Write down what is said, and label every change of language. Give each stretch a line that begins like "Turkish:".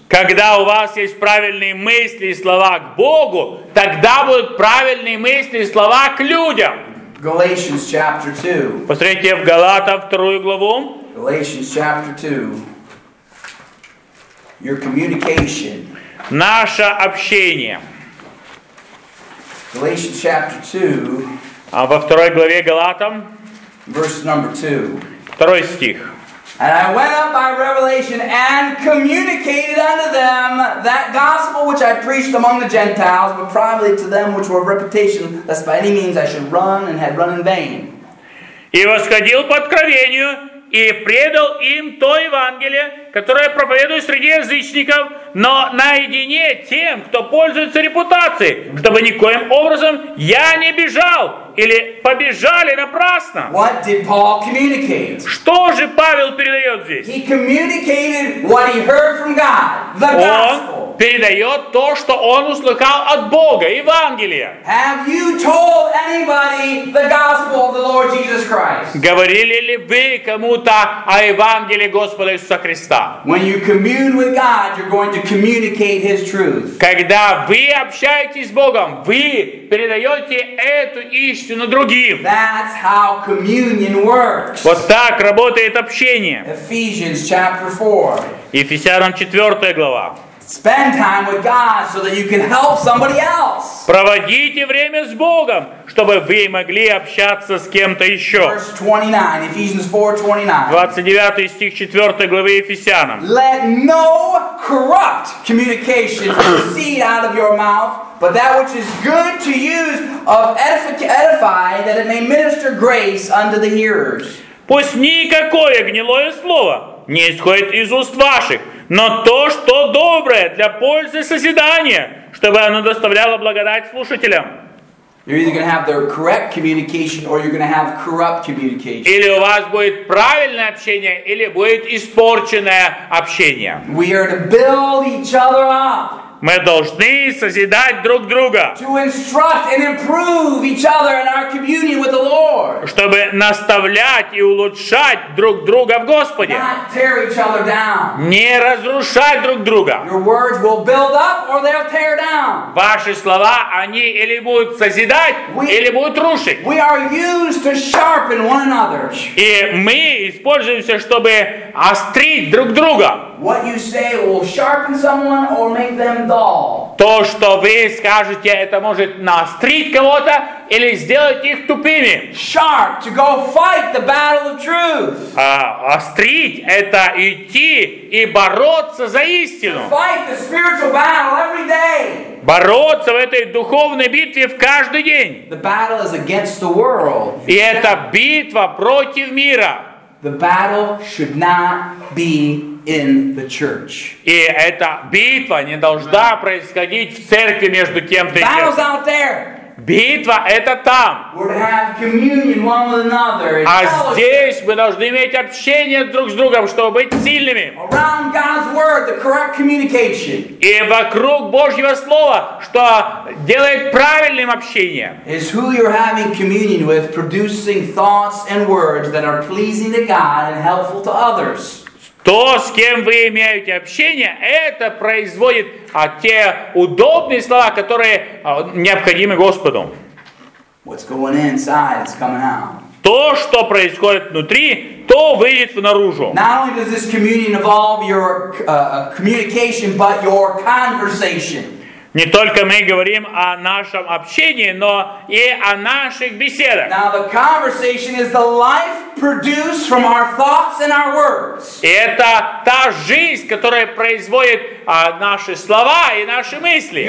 Russian: Когда у вас есть правильные мысли и слова к Богу, тогда будут правильные мысли и слова к людям.
English: Galatians chapter 2.
Russian: Посмотрите в Галатам 2 главу.
English: Galatians chapter 2. Your communication.
Russian: Наше общение.
English: Galatians chapter 2.
Russian: А во второй главе Галатам.
English: Verse number 2.
Russian: Второй стих.
English: And I went up by revelation and communicated unto them that gospel which I preached among the Gentiles, but privately to them which were of reputation, lest by any means I should run and had run in vain.
Russian: И восходил по откровению и предал им то Евангелие, которое проповедую среди язычников, но наедине тем, кто пользуется репутацией, чтобы никоим образом я не бежал или побежали напрасно.
English: What did Paul communicate?
Russian: Что же Павел передает здесь?
English: He communicated what he heard from God, the gospel.
Russian: Он передает то, что он услыхал от Бога, Евангелие.
English: Have you told anybody the gospel of the Lord Jesus Christ?
Russian: Говорили ли вы кому-то о Евангелии Господа Иисуса Христа?
English: When you commune with God, you're going to communicate His truth.
Russian: Когда вы общаетесь с Богом, вы передаете эту истину другим.
English: That's how communion works.
Russian: Вот так работает общение.
English: Ephesians chapter 4.
Russian: Ефесянам 4 глава.
English: Spend time with God so that you can help somebody else.
Russian: Проводите время с Богом, чтобы вы могли общаться с кем-то еще.
English: Verse 29, Ephesians 4:29.
Russian: 29 стих 4 главы Ефесянам.
English: Let no corrupt communication proceed out of your mouth, but that which is good to use of edify, that it may minister grace unto the hearers.
Russian: Пусть никакое гнилое слово не исходит из уст ваших, но то, что доброе для пользы созидания, чтобы оно доставляло благодать слушателям.
English: You're either going to have the correct communication or you're going to have corrupt communication.
Russian: Или у вас будет правильное общение, или будет испорченное общение.
English: We are to build each other up.
Russian: Мы должны созидать друг друга.
English: To instruct and improve each other in our communion with the Lord.
Russian: Чтобы наставлять и улучшать друг друга в Господе.
English: Not tear each other down.
Russian: Не разрушать друг друга.
English: Your words will build up or they'll tear down.
Russian: Ваши слова, они или будут созидать, или будут рушить.
English: We are used to sharpen one another.
Russian: И мы используемся, чтобы острить друг друга.
English: What you say will sharpen someone or make them dull.
Russian: То, что вы скажете, это может наострить кого-то или сделать их тупыми.
English: Sharp to go fight the battle of truth.
Russian: Острить – это идти и бороться за истину.
English: To fight the spiritual battle every day.
Russian: Бороться в этой духовной битве в каждый день.
English: The battle is against the world.
Russian: И эта битва против мира.
English: The battle should not be in the church.
Russian: И эта битва не должна происходить в церкви между кем-то и кем-то.
English: Battle's out there.
Russian: Битва это там.
English: We're to have communion one with another.
Russian: А здесь мы должны иметь общение друг с другом, чтобы быть сильными.
English: Around God's word, the correct communication.
Russian: И вокруг Божьего слова, что делает правильным общение.
English: Is who you're having communion with producing thoughts and words that are pleasing to God and helpful to others.
Russian: То, с кем вы имеете общение, это производит те удобные слова, которые необходимы Господу.
English: What's going inside, it's coming out.
Russian: То, что происходит внутри, то выйдет наружу.
English: Not only does this communion involve your communication, but your conversation.
Russian: Не только мы говорим о нашем общении, но и о наших беседах.
English: Now the conversation is the life produced from our thoughts and our words.
Russian: Это та жизнь, которая производит наши слова и наши мысли.